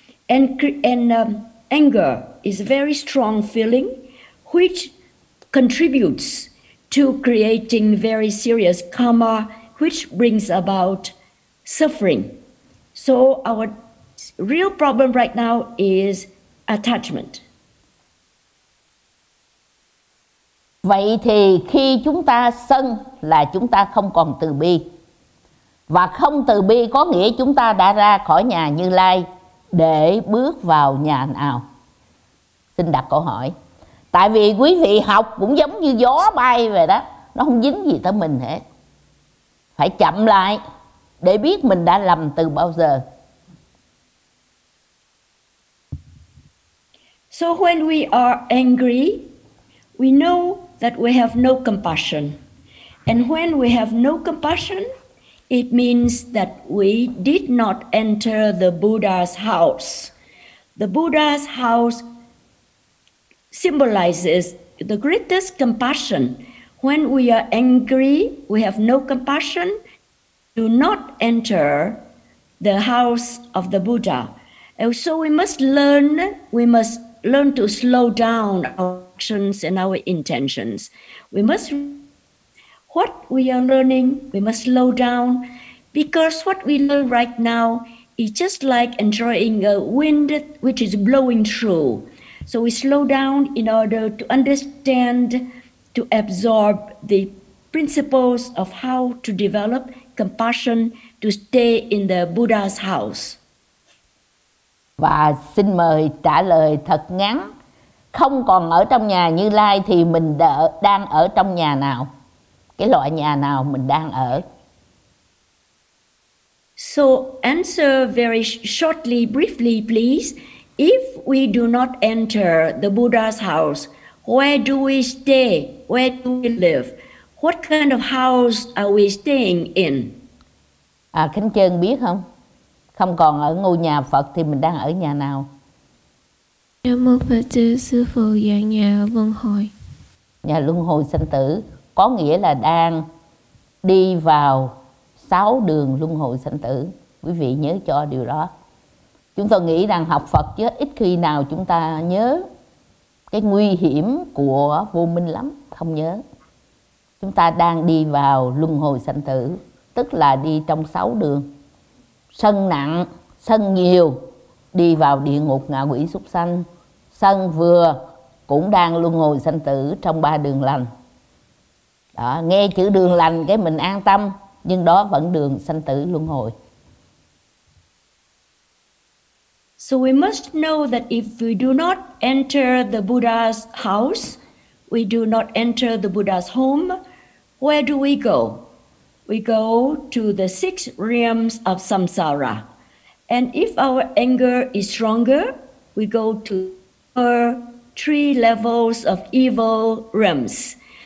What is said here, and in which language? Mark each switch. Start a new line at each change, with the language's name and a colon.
English: And anger is a very strong feeling, which contributes to creating very serious karma, which brings about suffering. So our real problem right now is attachment.
Vietnamese: Vậy thì khi chúng ta sân là chúng ta không còn từ bi. Và không từ bi có nghĩa chúng ta đã ra khỏi nhà Như Lai để bước vào nhà nào? Xin đặt câu hỏi. Tại vì quý vị học cũng giống như gió bay vậy đó, nó không dính gì tới mình hết. Phải chậm lại để biết mình đã lầm từ bao giờ.
English: So when we are angry, we know that we have no compassion. And when we have no compassion, it means that we did not enter the Buddha's house. The Buddha's house symbolizes the greatest compassion. When we are angry, we have no compassion, do not enter the house of the Buddha. And so we must learn to slow down our actions and our intentions. What we are learning, we must slow down, because what we learn right now is just like enjoying a wind which is blowing through. So we slow down in order to understand, to absorb the principles of how to develop compassion to stay in the Buddha's house.
Vietnamese: Và xin mời trả lời thật ngắn. Không còn ở trong nhà Như Lai thì mình đang ở trong nhà nào? Cái loại nhà nào mình đang ở?
English: So answer very shortly, briefly please. If we do not enter the Buddha's house, where do we stay? Where do we live? What kind of house are we staying in?
Vietnamese: À, Khánh Trân biết không? Không còn ở ngôi nhà Phật thì mình đang ở nhà nào? Nhà mô Phật Tư Sư Phụ và nhà Luân Hồi. Nhà Luân Hồi Sanh Tử có nghĩa là đang đi vào 6 đường Luân Hồi Sanh Tử. Quý vị nhớ cho điều đó. Chúng tôi nghĩ rằng học Phật chứ ít khi nào chúng ta nhớ cái nguy hiểm của vô minh lắm, không nhớ. Chúng ta đang đi vào Luân Hồi Sanh Tử, tức là đi trong 6 đường. Sân nặng, sân nhiều, đi vào địa ngục ngạ quỷ súc sanh. Sân vừa cũng đang luân hồi sanh tử trong 3 đường lành. Đó, nghe chữ đường lành cái mình an tâm, nhưng đó vẫn đường sanh tử luân hồi.
English: So we must know that if we do not enter the Buddha's house, we do not enter the Buddha's home, where do we go? We go to the 6 realms of samsara. And if our anger is stronger, we go to our 3 levels of evil realms.